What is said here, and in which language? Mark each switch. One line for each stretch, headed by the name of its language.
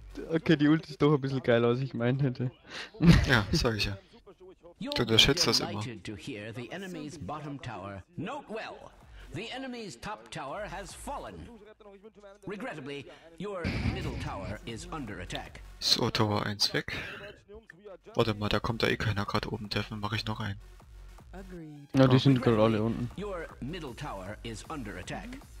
German: Okay, die Ult ist doch ein bisschen geiler, als ich meinen hätte. Ja, sag ich ja. Du unterschätzt das immer.
English: To hear the enemy's bottom tower. Note well, the enemy's top tower has fallen. Regrettably, your middle tower is under attack.
German: So, Tower 1 weg. Warte mal, da kommt da eh keiner gerade oben. Treffen mache ich noch einen. Na, die sind gerade alle unten.
English: Your middle tower is under attack.